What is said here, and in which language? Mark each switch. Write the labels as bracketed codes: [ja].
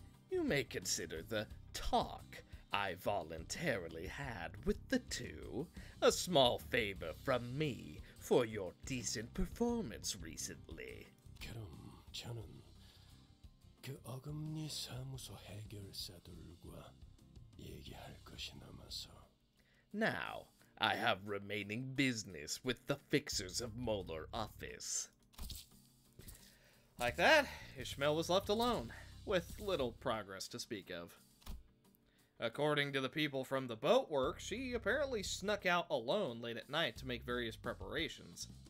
[en] You may consider the talk I voluntarily had with the two a small favor from me for your decent performance recently. [ko] 그럼 저는 그 어금니 사무소 해결사들과 얘기할 것이 남아서. [en] Now, I have remaining business with the fixers of Molar office. Like that, Ishmael was left alone, with little progress to speak of. According to the people from the boatwork, she apparently snuck out alone late at night to make various preparations.